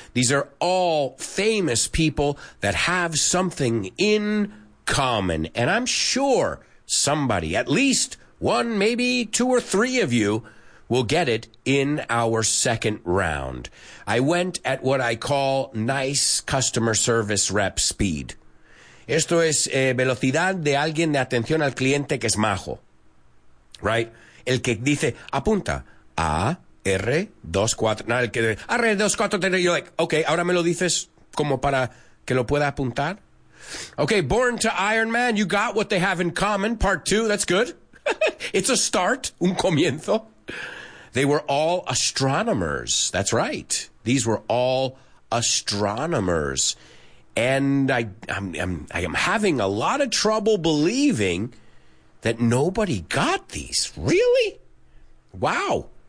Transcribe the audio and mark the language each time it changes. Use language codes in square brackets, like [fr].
[en] These are all famous people that have something in common. And I'm sure somebody, at least one, maybe two or three of you, we'll get it in our second round. I went at what I call nice customer service rep speed. [es] Esto es velocidad de alguien de atención al cliente que es majo. [en] Right? [es] El que dice, apunta, A-R-2-4. No, el que dice, R-2-4. [en] You're like, okay, [es] ahora me lo dices como para que lo pueda apuntar. [en] Okay, born to Iron Man, you got what they have in common. Part two, that's good. It's a start, [es] un comienzo. [en] They were all astronomers. That's right. These were all astronomers. And I am having a lot of trouble believing that nobody got these. Really? Wow.